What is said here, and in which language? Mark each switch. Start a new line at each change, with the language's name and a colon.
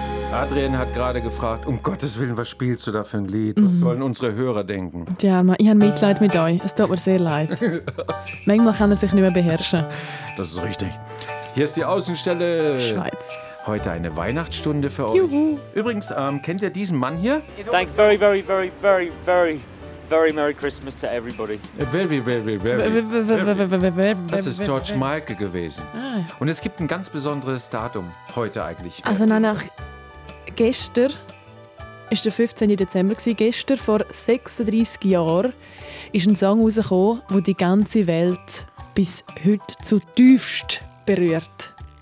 German: Adrian hat gerade gefragt, um Gottes Willen, was spielst du da für ein Lied? Was sollen unsere Hörer denken? Ja, ich habe Mitleid mit euch, es tut mir sehr leid. Manchmal kann er sich nicht mehr beherrschen. Das ist richtig. Hier ist die Außenstelle. Schweiz. Heute eine Weihnachtsstunde für Juhu. Euch. Übrigens, kennt ihr diesen Mann hier?
English: Thank you very, very, very, very, very, very Merry Christmas to everybody. Very, very, very, very, very.
German: Das ist George Michael gewesen. Ah. Und es gibt ein ganz besonderes Datum heute eigentlich. Also nach gestern, ist der 15. Dezember gewesen, gestern vor 36 Jahren, ist ein Song rausgekommen, wo die ganze Welt bis heute zutiefst berührt.